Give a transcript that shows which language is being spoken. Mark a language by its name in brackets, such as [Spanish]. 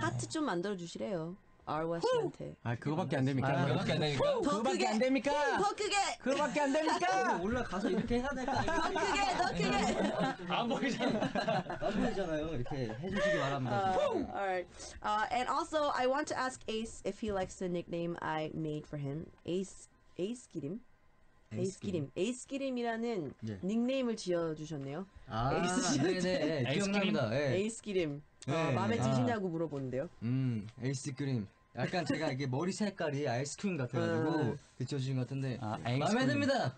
[Korean] 하트 좀 만들어 주시래요. Arwa 씨한테. 아, 그거밖에 안 됩니까? 그거밖에 안 됩니까? 더 크게 안 됩니까? 더 크게. 그거밖에 안 됩니까? 올라가서 이렇게 해야 될까? 더 크게. 더 크게. 안 보이잖아요. 안 보이잖아요. 이렇게 해 주시기 바랍니다. [English] All right. And also I want to ask Ace if he likes the nickname I made for him. [Korean] Ace 기림. 에이스기림. 에이스기림이라는 네. 닉네임을 지어주셨네요. 아, 에이스 네네. 기억납니다. 에이스기림. 네. 마음에 드시냐고 물어보는데요. 에이스기림. 약간 제가 이게 머리 색깔이 아이스크림 같아가지고 비춰주신 것 같은데 마음에 듭니다.